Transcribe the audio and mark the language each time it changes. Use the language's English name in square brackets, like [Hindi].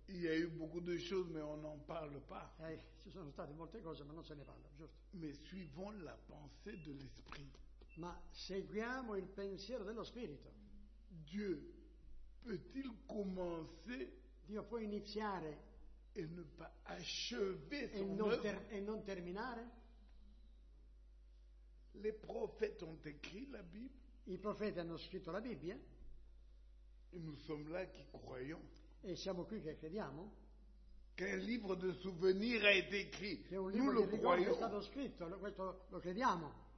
[French] Il y a eu beaucoup de choses, mais on n'en parle pas. [Italian] Ci sono state molte cose, ma non se ne parla, giusto? [French] Mais suivons la pensée de l'esprit. [Italian] Ma seguiamo il pensiero dello spirito. [French] Dieu peut-il commencer? [Italian] Dio può iniziare. [French] Et ne pas achever son œuvre? [Italian] E non terminare? [French] Les prophètes ont écrit la Bible. [Italian] I profeti hanno scritto la Bibbia. [French] Et nous sommes là qui croyons. [Italian] E siamo qui che crediamo. [French] Qu'un livre de souvenirs a été écrit. [Italian] Che un [French] nous [Italian] libro [French] le [Italian] di [French] croyons. [Italian] Ricordo è stato scritto, questo lo crediamo.